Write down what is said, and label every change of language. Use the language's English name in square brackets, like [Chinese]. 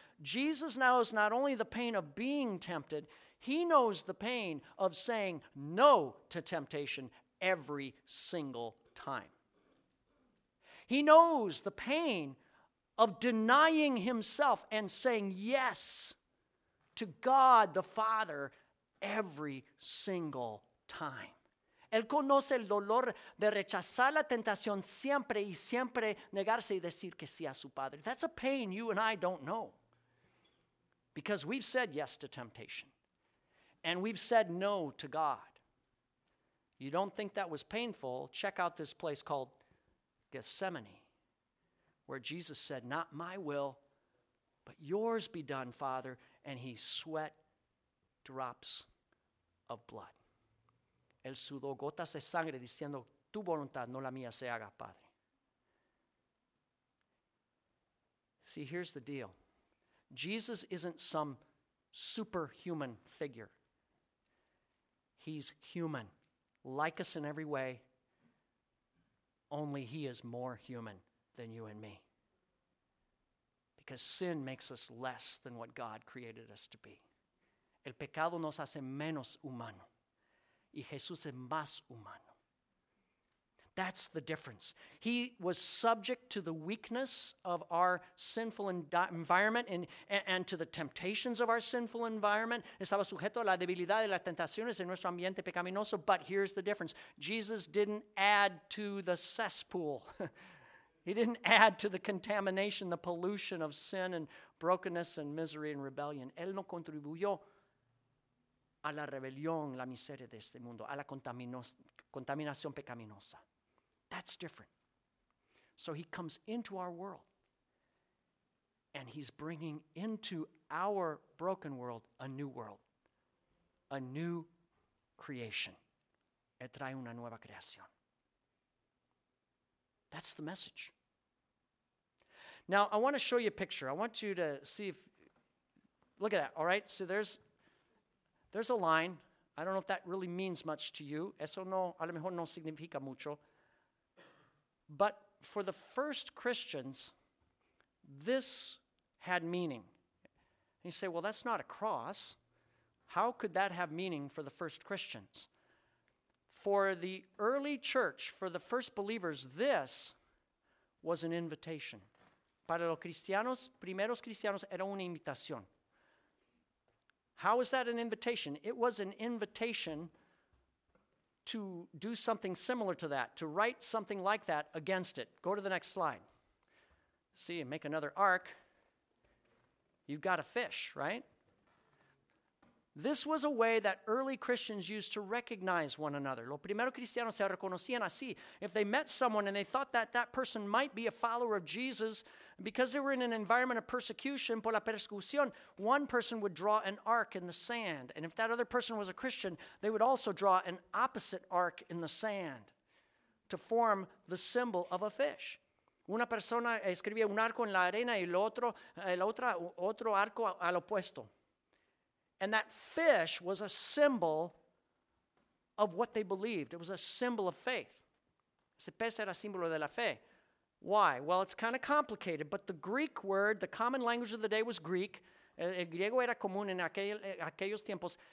[English] Jesus knows not only the pain of being tempted, he knows the pain of saying no to temptation every single time. He knows the pain of denying himself and saying yes to God the Father every single time. [Spanish] Él conoce el dolor de rechazar la tentación siempre y siempre negarse y decir que sí a su Padre. [English] That's a pain you and I don't know, because we've said yes to temptation and we've said no to God. You don't think that was painful? Check out this place called Gethsemane, where Jesus said, not my will, but yours be done, Father. And he sweat drops of blood. [Spanish] Él sudó gotas de sangre diciendo, tu voluntad, no la mía, se haga, Padre. [English] See, here's the deal. Jesus isn't some superhuman figure. He's human, like us in every way, only he is more human than you and me. Because sin makes us less than what God created us to be. [Spanish] El pecado nos hace menos humano. Y Jesús es más humano. [English] That's the difference. He was subject to the weakness of our sinful environment and to the temptations of our sinful environment. [Spanish] Estaba sujeto a la debilidad de las tentaciones en nuestro ambiente pecaminoso. [English] But here's the difference. Jesus didn't add to the cesspool. He didn't add to the contamination, the pollution of sin and brokenness and misery and rebellion. [Spanish] Él no contribuyó a la rebelión, la miseria de este mundo, a la contaminación pecaminosa. [English] That's different. So he comes into our world, and he's bringing into our broken world, a new creation. [Spanish] Él trae una nueva creación. [English] That's the message. Now, I want to show you a picture. I want you to see if, look at that, all right? So there's a line. I don't know if that really means much to you. [Spanish] Eso no, a lo mejor no significa mucho. [English] But for the first Christians, this had meaning. And you say, well, that's not a cross. How could that have meaning for the first Christians? For the early church, for the first believers, this was an invitation. [Spanish] Para los cristianos, primeros cristianos, era una invitación. [English] How is that an invitation? It was an invitation to do something similar to that, to write something like that against it. Go to the next slide. See, make another arc. You've got a fish, right? This was a way that early Christians used to recognize one another. [Spanish] Los primeros cristianos se reconocían así. [English] If they met someone and they thought that that person might be a follower of Jesus, because they were in an environment of persecution, [Spanish] por la persecución, [English] one person would draw an arc in the sand. And if that other person was a Christian, they would also draw an opposite arc in the sand to form the symbol of a fish. [Spanish] Una persona escribía un arco en la arena y el otro arco al opuesto. [English] And that fish was a symbol of what they believed. It was a symbol of faith. [Spanish] Ese pez era símbolo de la fe. [English] Why? Well, it's kind of complicated, but the Greek word, the common language of the day was Greek. [Spanish] El griego era común en aquellos tiempos.